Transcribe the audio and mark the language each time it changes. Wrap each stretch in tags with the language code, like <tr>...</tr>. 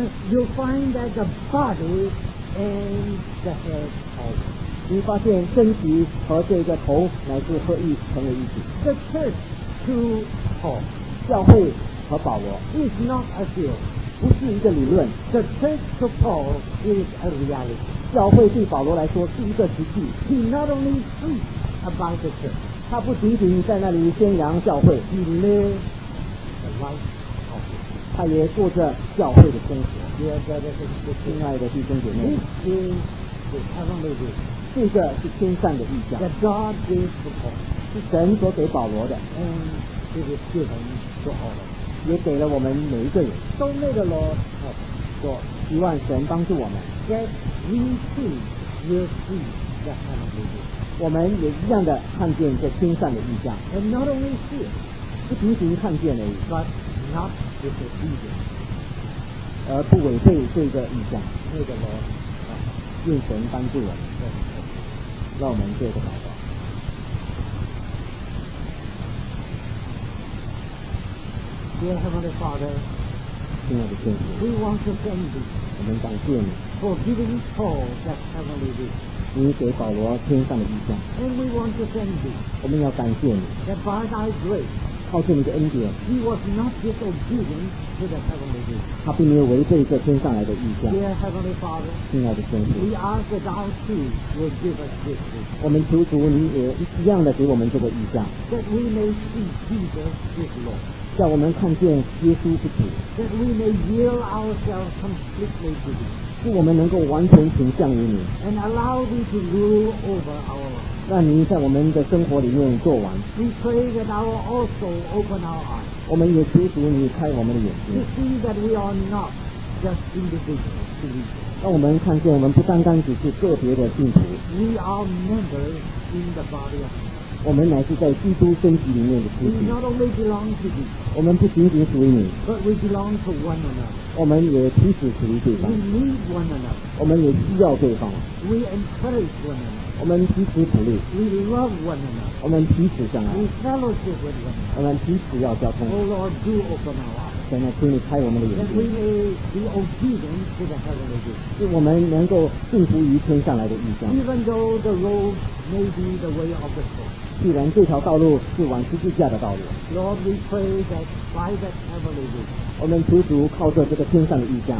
<en>You'll find that the bodyAnd the head of</en> <zh>it. 你发现身体和这个头乃是合一成为一体。</zh> <en>The church to Paul,</en> <zh>教会和保罗</zh> <en>is not a theory,</en> <zh>不是一个理论。</zh> <en>The church to Paul is a reality.</en> <zh>教会对保罗来说是一个实际。</zh> <en>He not only preached about the church,</en> <zh>他不仅仅在那里宣扬教会。</zh> <en>He lived the life.</en> <zh>他也过着教会的生活。亲爱的弟兄姐妹，这是天上的意象，这个是天上的意象。</zh> <en>That God gave to Paul,</en> <zh>是神所给保罗的。</zh> <en>And this is given to all of us,</en> <zh>也给了我们每一个人。</zh> <en>So may the Lord help</en> <zh>us, 希望神帮助我们。</zh> <en>That we too will see the heavenly vision,</en> <zh>我们也一样的看见这天上的意象。</zh> <en>And not only see it,</en> <zh>不仅仅看见而已</zh> <en>but not disobedience</en> <zh>而不违背这个意象，那个呢愿神帮助我们，让我们做个祷告。</zh> <en>Dear Heavenly Father，</en> <zh>亲爱的天父，</zh> <en>We want to thank you，</en> <zh>我们感谢你</zh> <en>for giving Paul that heavenly vision，</en> <zh>你给保罗天上的意象。</zh> <en>And we want to thank you，</en> <zh>我们要感谢你</zh> <en>that by thy grace，</en> <zh>靠着你的恩典，</zh> <en>He was not disobedient to the heavenly vision.</en> <zh>他并没有违背这天上来的意象。</zh> <en>Dear Heavenly Father,</en> <zh>亲爱的天父，</zh> <en>We ask that thou too will give us this vision.</en> <zh>我们求主你也一样的给我们这个意象。</zh> <en>That we may see Jesus is Lord.</en> <zh>叫我们看见耶稣是主。</zh> <en>That we may yield ourselves completely to thee.</en> <zh>是我们能够完全倾向于你。</zh> <en>And allow thee to rule over our life.</en> <zh>让您在我们的生活里面做完。</zh> <en>We pray that I will also open our eyes.</en> <zh>我们也求主你开我们的眼睛。</zh> <en>To see that we are not just individuals.</en> <zh>让我们看见我们不单单只是个别的信徒。</zh> <en>We are members in the body of Christ.</en> <zh>我们乃是在基督身体里面的肢体。</zh> <en>We not only belong to thee.</en> <zh>我们不仅仅属于你。</zh> <en>But we belong to one another.</en> <zh>我们也彼此属于对方。</zh> <en>We need one another.</en> <zh>我们也需要对方。</zh> <en>We encourage one another.</en> <zh>我们彼此鼓励。</zh> <en>We love one another.</en> <zh>我们彼此相爱。</zh> <en>We fellowship with one another.</en> <zh>我们彼此要交通。</zh> <en>Oh Lord, do open our eyes.</en> <zh>神啊，求你开我们的眼睛。</zh> <en>That we may be obedient to the heavenly vision.</en> <zh>使我们能够顺服于天上来的意象。</zh> <en>Even though the road may be the way of the cross.</en> <zh>既然这条道路是往十字架的道路。</zh> <en>Lord, we pray that by that heavenly vision.</en> <zh>我们求主靠着这个天上的意象。</zh>